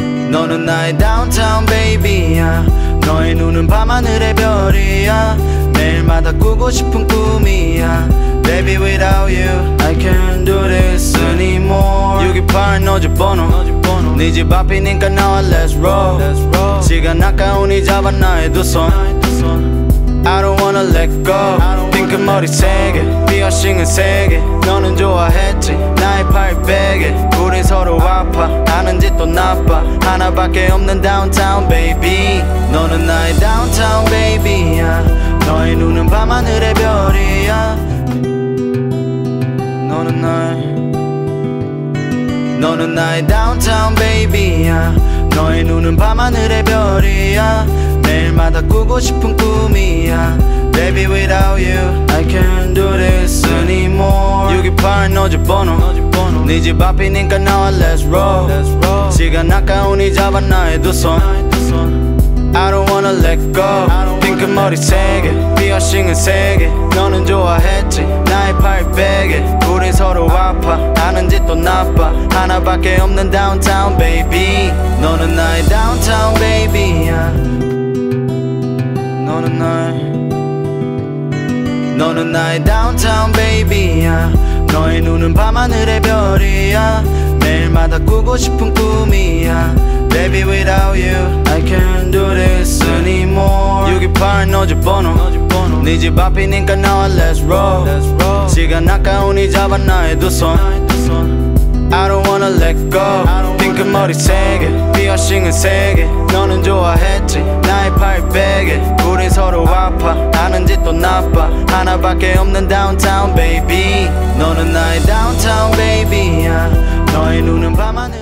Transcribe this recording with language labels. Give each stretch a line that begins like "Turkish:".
Korean: 너는 나의 downtown baby야. 너의 눈은 밤하늘의 별이야. 매일마다 꾸고 싶은 꿈이야.
English: Baby without you I can't do this anymore.
Korean: 6.28 너 집번호 네 집 앞이니까 나와
English: let's roll.
Korean: 시간 아까우니 잡아 나의 두 손.
English: I don't wanna let go.
Korean: 핑크 머리 세개 피어싱은 세개 너는 좋아했지 나의 팔 베개. 우린 서로 아파 아는 짓도 나빠. 하나밖에 없는 downtown baby. 너는 나의 downtown baby야. 너의 눈은 밤하늘의 별이야. 너는 나의 너는 나의 downtown baby야. 너의 눈은 밤하늘의 별이야. 매일마다 꾸고 싶은 꿈이야.
English: Baby without you I can't do this anymore.
Korean: 6.28 너 집번호 네 집 앞이니까 나와
English: let's roll.
Korean: 시간 아까우니 잡아 나의 두 손.
English: I don't wanna let go.
Korean: 핑크 머리 세개 피어싱은 세개 너는 좋아했지 나의 팔 베개. 우린 서로 아파 아는 짓도 나빠. 하나밖에 없는 downtown baby. 너는 나의 downtown baby야. 너는 나의 너는 나의 downtown baby야. 너의 눈은 밤하늘의 별이야. 매일마다 꾸고 싶은 꿈이야.
English: Baby without you I can't do this anymore.
Korean: 6.28 너 집번호 네 집 앞이니까 나와
English: let's roll.
Korean: 시간 아까우니 잡아 나의 두 손.
English: I don't wanna let go.
Korean: 핑크 머리 세개 피어싱은 세개 너는 좋아했지 나의 팔 베개. 우린 서로 아파 아는 짓도 나빠. 하나밖에 없는 downtown baby. 너는 나의 downtown baby야. 너의 눈은 밤하늘